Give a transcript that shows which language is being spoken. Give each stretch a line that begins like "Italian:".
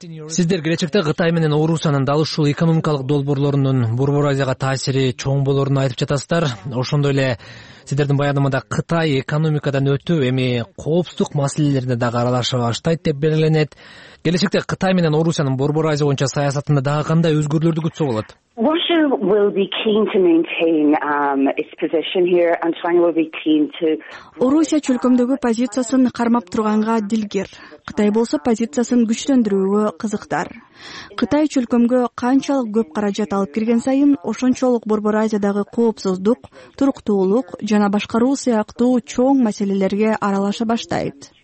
Kyrgyz: Сиздер келечекте Кытай менен Орусиянын дал ушул экономикалык долбоорлорунун Борбор Азияга таасири чоң болорун айтып жатасыздар. Ошондой эле сиздердин баяндамада Кытай экономикадан өтүп эми коопсуздук маселелерине дагы аралаша баштайт деп белгиленет. Келечекте Кытай менен Орусиянын Борбор Азия боюнча саясатында дагы кандай өзгөрүүлөрдү күтсө болот?
English: Russia will be keen to maintain its position here and China will be keen to
Kyrgyz: Орусия чөлкөмдөгү позициясын кармап турганга дилгер. Кытай болсо позициясын күчтөндүрүүгө кызыктар. Кытай чөлкөмгө канчалык көп каражат алып кирген сайын, ошончолук Борбор Азиядагы коопсуздук, туруктуулук жана башкаруу сыяктуу чоң маселелерге аралаша баштайт.